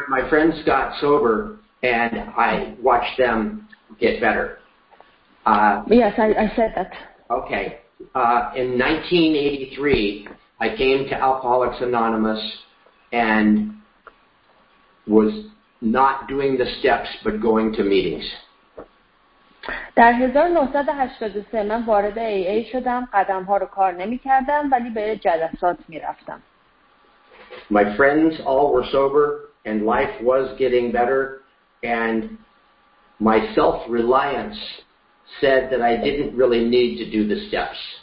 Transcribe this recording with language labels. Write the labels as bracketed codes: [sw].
[en] My friends got sober, and I watched them get better. Yes, I said that. Okay. In 1983, I came to Alcoholics Anonymous, and was not doing the steps but going to meetings. [fa] در 1983 من وارد AA شدم، قدم‌ها رو کار نمی‌کردم ولی به جلسات می‌رفتم. [en] My friends all were sober and life was getting better and my self-reliance said that I didn't really need to do the steps.